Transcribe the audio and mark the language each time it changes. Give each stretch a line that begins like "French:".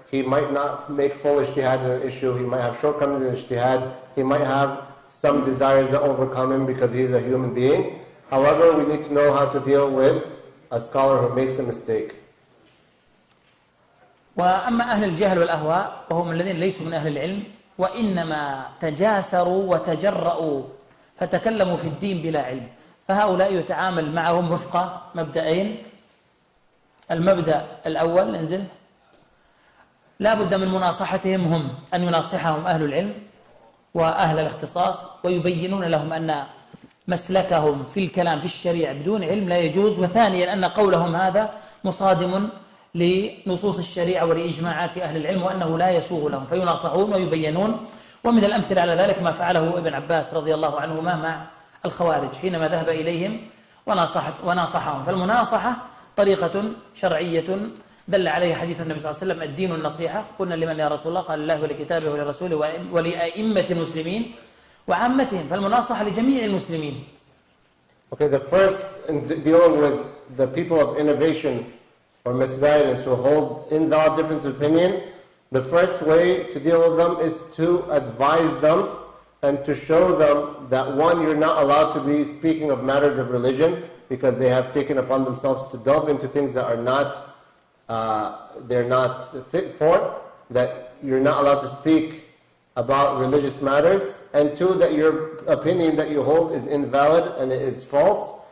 English: He might not make full ijtihad in an issue. He might have shortcomings in ijtihad. He might have some desires that overcome him because he is a human being. However, we need to know how to deal with a scholar who makes a mistake.
Arabic: وأما أهل الجهل والأهواء وهم الذين ليسوا من أهل العلم وإنما تجاسروا وتجرؤوا فتكلموا في الدين بلا علم فهؤلاء يتعامل معهم وفق مبدأين المبدأ الأول انزل لا بد من مناصحتهم هم أن يناصحهم أهل العلم وأهل الاختصاص ويبينون لهم أن مسلكهم في الكلام في الشريعة بدون علم لا يجوز وثانيا أن قولهم هذا مصادم لنصوص الشريعة ولإجماعات أهل العلم وأنه لا يسوغ لهم فيناصحون ويبينون ومن الأمثلة على ذلك ما فعله ابن عباس رضي الله عنهما مع الخوارج حينما ذهب إليهم وناصحهم فالمناصحة طريقة شرعية دل عليها حديث النبي صلى الله عليه وسلم الدين النصيحة قلنا لمن يا رسول الله قال الله ولكتابه ولرسوله ولأئمة المسلمين وعامتهم فالمناصحة لجميع المسلمين
English: Okay, the first in dealing with the people of innovation or misguidance who hold invalid difference of opinion, the first way to deal with them is to advise them and to show them that one, you're not allowed to be speaking of matters of religion because they have taken upon themselves to delve into things that are not, they're not fit for, that you're not allowed to speak about religious matters, and two, that your opinion that you hold is invalid and it is false.